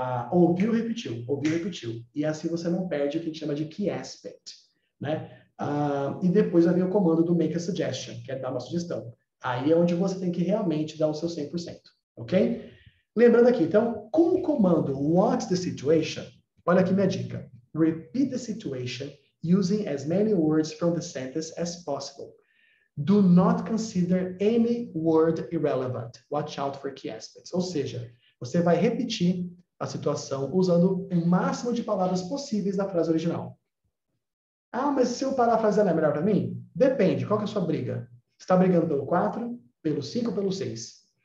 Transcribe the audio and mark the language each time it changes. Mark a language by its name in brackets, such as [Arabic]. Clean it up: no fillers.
[Portuguese] Ouviu, repetiu. Ouviu, repetiu. E assim você não perde o que a gente chama de key aspect. Né? E depois vai vir o comando do make a suggestion, que é dar uma sugestão. Aí é onde você tem que realmente dar o seu 100%, ok? Lembrando aqui, então, com o comando what's the situation, olha aqui minha dica. [English] Repeat the situation using as many words from the sentence as possible. Do not consider any word irrelevant. Watch out for key aspects. [Portuguese] Ou seja, você vai repetir a situação usando o máximo de palavras possíveis da frase original. Ah, mas se eu parafrasear não é melhor para mim? Depende. Qual que é a sua briga? Você está brigando pelo 4, pelo 5 ou pelo 6?